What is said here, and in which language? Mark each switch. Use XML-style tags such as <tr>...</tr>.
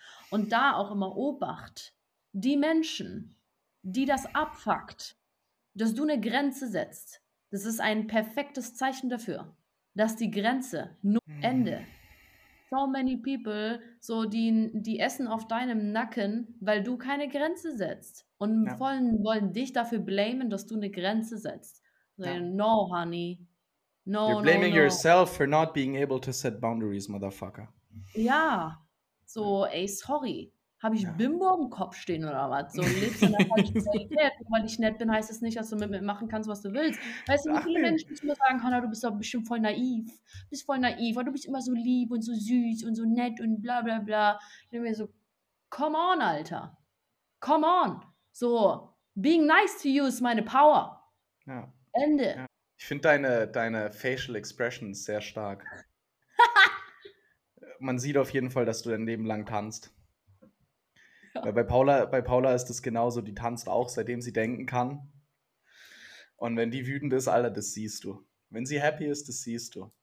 <de>Und da auch immer Obacht, die Menschen, die das abfuckt, dass du eine Grenze setzt, das ist ein perfektes Zeichen dafür, dass die Grenze nur Ende.</de> <en>So many people,</en> <de>so die essen auf deinem Nacken, weil du keine Grenze setzt. Und wollen dich dafür blamen, dass du eine Grenze setzt.</de> <en>So, ja. No, honey. No, you're blaming yourself for not being able to set boundaries, motherfucker.</en> <de>Ja, so, ey, sorry. Habe ich Bimbo im Kopf stehen oder was? So, lebst du in der falschen Realität? Weil ich nett bin, heißt es nicht, dass du mit mir machen kannst, was du willst. Weißt du, wie viele Menschen zu mir sagen, Hanna, du bist doch bestimmt voll naiv. Bist voll naiv, weil du bist immer so lieb und so süß und so nett und bla bla bla. Ich bin mir so,</de> <en>come on,</en> <de>Alter.</de> <en>Come on. So, being nice to you is meine Power.</en> <de>Ja. Ende. Ja. Ich finde deine facial expressions sehr stark. Man sieht auf jeden Fall, dass du dein Leben lang tanzt. Ja. Weil bei Paula ist das genauso, die tanzt auch, seitdem sie denken kann. Und wenn die wütend ist, Alter, das siehst du. Wenn sie happy ist, das siehst du.</de>